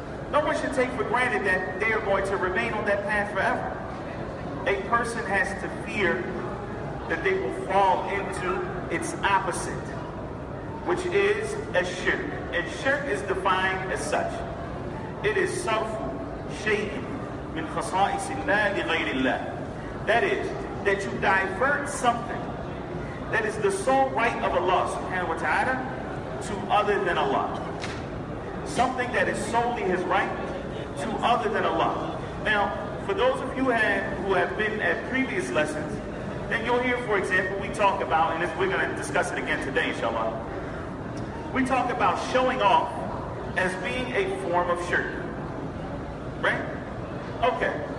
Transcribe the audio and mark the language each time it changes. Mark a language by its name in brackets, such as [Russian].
[English] No one should take for granted that they are going to remain on that path forever. A person has to fear that they will fall into its opposite, which is a shirk. And shirk is defined as such. It is [Arabic] صَرْفُ شَيْءٍ مِنْ خَصَائِسِ اللَّهِ لِغَيْرِ اللَّهِ. [English] That is, that you divert something that is the sole right of Allah subhanahu wa ta'ala to other than Allah. Something that is solely His right to other than Allah. Now, for those of you who have been at previous lessons, then you'll hear, for example, we talk about, and we're going to discuss it again today, inshallah, we talk about showing off as being a form of shirk. Right? Okay.